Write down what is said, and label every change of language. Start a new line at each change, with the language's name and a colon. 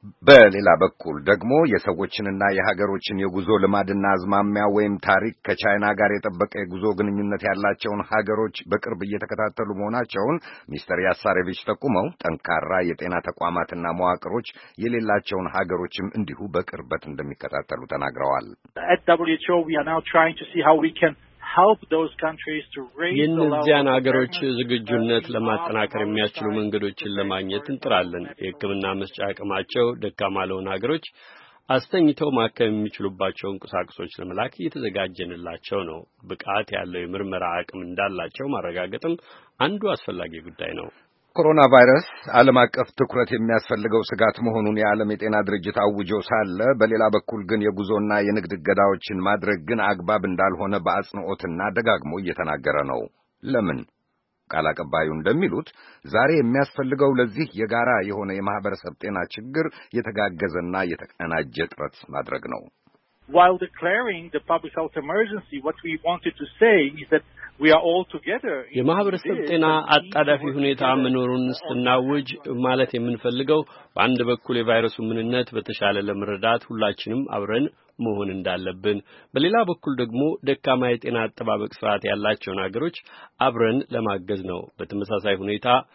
Amharic: በሌላ በኩል ደግሞ የሰዎችንና የሀገሮችን የጉዞ ልማድና አዝማሚያ ወይም ታሪክ ከቻይና ጋር የተበቀ የጉዞ ግንኙነት ያላቸውን ሀገሮች በቅርብ እየተከታተሉ መሆናቸውን ሚስተር ያሳሬቪች ተቁመው ጠንካራ የጤና ተቋማትና መዋቅሮች የሌላቸውን ሀገሮችም እንዲሁ በቅርበት እንደሚከታተሉ ተናግረዋል።
English: At WHO we are now trying to see how we can help those countries to raise the level
Amharic: የኢንዲያን አገሮች ዝግጁነት ለማጠናከር የሚያስችሉ መንገዶችን ለማግኘት እንጥራለን። የሕክምና መስጫ አቅማቸው ደካማ ለሆኑ አገሮች አስተኝተው ማከም የሚችሉባቸውን ቁሳቁሶች ለመላክ እየተዘጋጀንላቸው ነው። ብቃት ያለው የምርመራ አቅም እንዳላቸው ማረጋገጥም አንዱ አስፈላጊ ጉዳይ ነው። ኮሮና ቫይረስ ዓለም አቀፍ ትኩረት የሚያስፈልገው ስጋት መሆኑን የዓለም የጤና ድርጅት አውጆ ሳለ፣ በሌላ በኩል ግን የጉዞና የንግድ ገዳዎችን ማድረግ ግን አግባብ እንዳልሆነ በአጽንኦትና ደጋግሞ እየተናገረ ነው። ለምን? ቃል አቀባዩ እንደሚሉት ዛሬ የሚያስፈልገው ለዚህ የጋራ የሆነ የማህበረሰብ ጤና ችግር የተጋገዘና የተቀናጀ ጥረት ማድረግ ነው።
English: While declaring the public health emergency, what we wanted to say is that we are all together.
Amharic: የማህበረሰብ ጤና አጣዳፊ ሁኔታ መኖሩን ስናውጅ ማለት የምንፈልገው በአንድ በኩል የቫይረሱ ምንነት በተሻለ ለመረዳት ሁላችንም አብረን መሆን እንዳለብን፣ በሌላ በኩል ደግሞ ደካማ የጤና አጠባበቅ ስርዓት ያላቸውን አገሮች አብረን ለማገዝ ነው። በተመሳሳይ ሁኔታ